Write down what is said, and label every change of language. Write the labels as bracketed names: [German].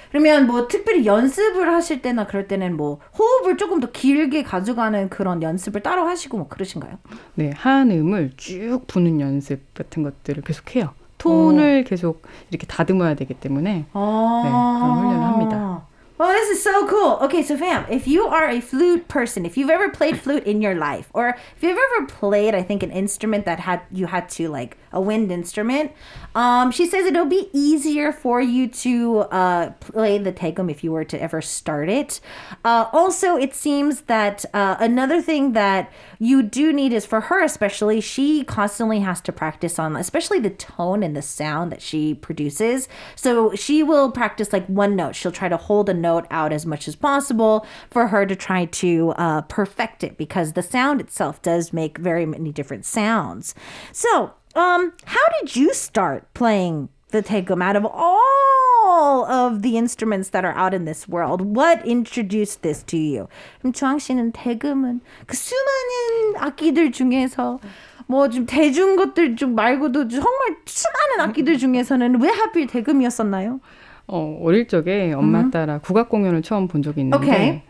[Korean] 그러면 뭐 특별히 연습을 하실 때나 그럴 때는 뭐 호흡을 조금 더 길게 가져가는 그런 연습을 따로 하시고 뭐 그러신가요? 네, 한 음을 쭉 부는 연습 같은 것들을 계속 해요. 톤을 계속 이렇게 다듬어야 되기 때문에 그런 훈련을 합니다. [English] Well, this is so cool. Okay, so fam, if you are a flute person, if you've ever played flute in your life, or if you've ever played, I think, an instrument that you had to, like, a wind instrument, she says it'll be easier for you to play the 태금 if you were to ever start it. Also, it seems that another thing that you do need is, for her especially, she constantly has to practice on, especially the tone and the sound that she produces. So she will practice like one note. She'll try to hold a note out as much as possible for her to try to perfect it, because the sound itself does make very many different sounds. So how did you start playing the 태금 out of all of the instruments that are out in this world? What introduced this to you? [Korean] 주황 씨는 태금은 그 수많은 악기들 중에서 뭐 좀 대중 것들 좀 말고도 정말 수많은 악기들 중에서는 왜 하필 태금이었었나요? 어릴 적에 엄마 따라 국악 공연을 처음 본 적이 있는데 okay.